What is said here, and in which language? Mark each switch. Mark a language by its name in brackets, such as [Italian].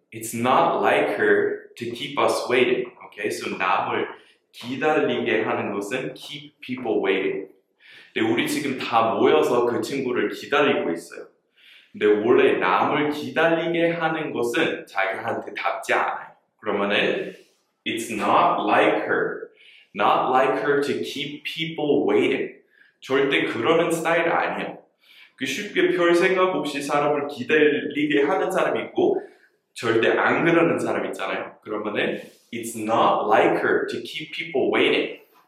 [English] It's not like her to keep us waiting. Okay, so [Korean] 남을 기다리게 하는 것은 [English] keep people waiting. [Korean] 근데 우리 지금 다 모여서 그 친구를 기다리고 있어요. 근데 원래 남을 기다리게 하는 것은 자기한테 답지 않아요. 그러면은 [English] It's not like her. Not like her to keep people waiting. [Korean] 절대 그러는 스타일 아니에요. 그 쉽게 별 생각 없이 사람을 기다리게 하는 사람이 있고 절대 안 그러는 사람 있잖아요. 그러면은 [English] It's not like her to keep people waiting.